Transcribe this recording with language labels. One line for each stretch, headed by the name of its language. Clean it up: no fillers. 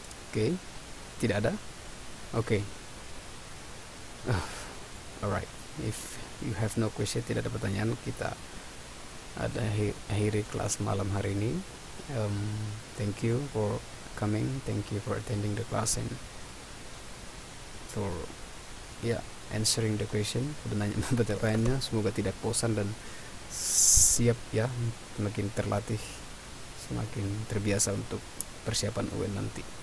English: Okay.
Indonesian: Tidak ada?
English: Okay. Alright. If You have no question,
Indonesian: tidak ada pertanyaan. Kita ada akhiri kelas malam hari ini.
English: Thank you for coming. Thank you for attending the class and for answering the question.
Indonesian: Pertanyaannya, semoga tidak bosan dan siap ya, semakin terlatih, semakin terbiasa untuk persiapan UN nanti.